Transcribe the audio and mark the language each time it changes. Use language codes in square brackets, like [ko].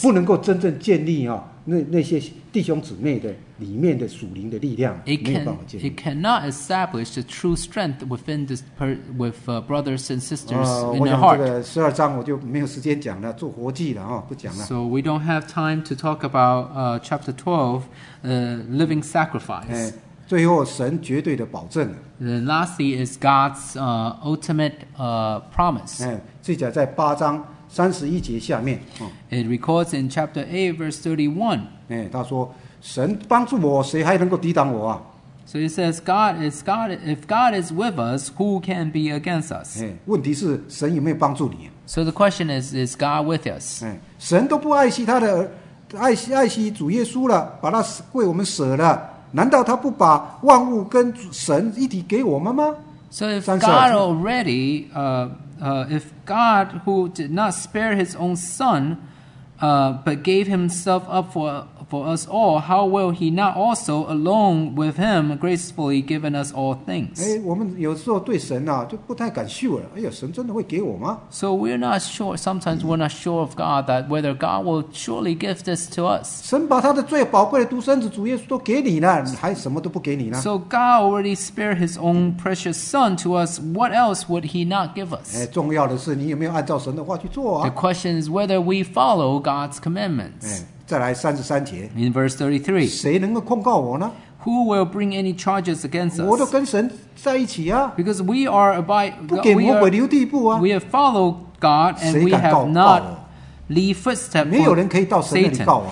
[zh] 不能够真正建立啊，那些弟兄姊妹的里面的属灵的力量，没办法建立。 [en] It cannot establish the true strength within this with brothers and sisters in their heart. [zh] 我想这个十二章我就没有时间讲了，做活祭了啊，不讲了。 [en] So we don't have time to talk about chapter 12, living sacrifice. [zh] 最后，神绝对的保证。 [en] Then lastly is God's ultimate promise. [zh] 记载在八章三十一节下面。 [en] It records in chapter 8, verse 31. [zh] 他说：“神帮助我，谁还能够抵挡我啊 [en] ？”So it says, if God is with us, who can be against us? [zh] 问题是神有没有帮助你 [en] ？So the question is God with us? [zh] 神都不爱惜他的爱惜主耶稣了，把他为我们舍了。难道他不把万物跟神一体给我们吗 [en] ？So if God already, if God who did not spare His own Son, but gave Himself up for for us all, how will he not also alone with him gracefully given us all things? [zh] 我们有时候对神啊, [en] so we're not sure, sometimes we're not sure of God that whether God will surely give this to us. [zh] 神把他的最宝贵的独生子主耶稣都给你了, [en] so God already spared his own precious son to us, what else would he not give us? [zh] 重要的是你有没有按照神的话去做啊? [en] The question is whether we follow God's commandments. [zh] 再来33节, [en] in verse 33, [zh] 谁能够控告我呢? [en] Who will bring any charges against us? [zh] 我都跟神在一起啊, [en] because we are we have followed God and we have not leave footstep for Satan.